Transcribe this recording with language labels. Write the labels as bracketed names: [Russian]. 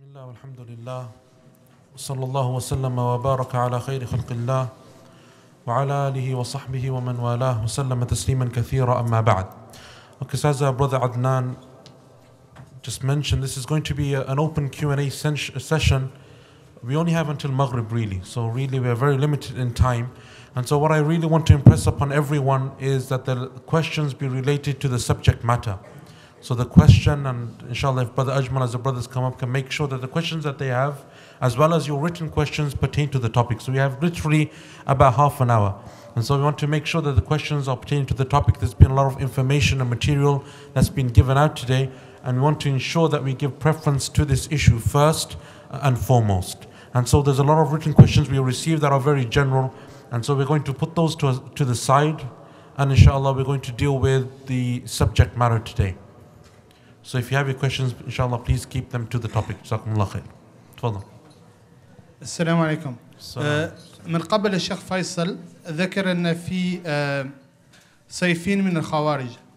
[Arabic] الله والحمد لله، وصلى الله وسلم وبارك على خير خلق الله وعلى آله وصحبه ومن والاه وسلم تسليما كثيرا. أما بعد، أستاذ [English] brother Adnan just mentioned this is going to be an open Q&A session. We only have until Maghrib really, so really we are very limited in time. And so what I really want to impress upon everyone is that the questions be related to the subject matter. So the question, and inshallah, if Brother Ajmal, as the brothers come up, can make sure that the questions that they have, as well as your written questions, pertain to the topic. So we have literally about half an hour. And so we want to make sure that the questions are pertaining to the topic. There's been a lot of information and material that's been given out today. And we want to ensure that we give preference to this issue first and foremost. And so there's a lot of written questions we received that are very general. And so we're going to put those to the side. And inshallah, we're going to deal with the subject matter today. So if you have your questions, inshallah, please keep them to the topic. [Arabic] Jazakumullah khair. Tafadhal. Assalamu alaikum. من قبل الشيخ فيصل ذكر أن في صيفين من الخوارج.